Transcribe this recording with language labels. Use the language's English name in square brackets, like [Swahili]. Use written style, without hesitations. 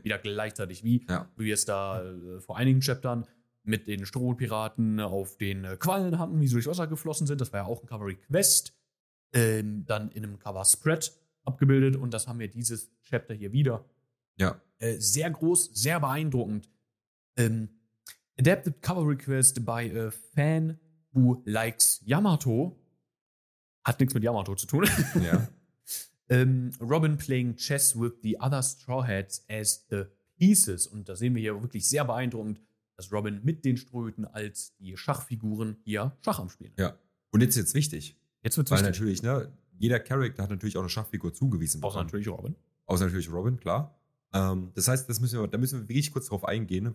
[German] Wieder gleichzeitig, wie wir es da vor einigen Chaptern mit den Strohpiraten auf den Quallen hatten, wie sie durchs Wasser geflossen sind. Das war ja auch ein Cover Request. Dann in einem Cover Spread abgebildet und das haben wir dieses Chapter hier wieder. Ja. Sehr groß, sehr beeindruckend. [English] Adapted Cover Request by a fan who likes Yamato. [German] Hat nichts mit Yamato zu tun. Ja. [English] Robin playing chess with the other Straw Hats as the pieces. [German] Und da sehen wir hier wirklich sehr beeindruckend, dass Robin mit den Strohhüten als die Schachfiguren hier Schach am Spielen. Ja. Und jetzt ist es wichtig. Jetzt wird es wichtig. Weil natürlich, ne, jeder Charakter hat natürlich auch eine Schachfigur zugewiesen bekommen. Außer natürlich Robin. Klar. Das heißt, da müssen wir wirklich kurz drauf eingehen.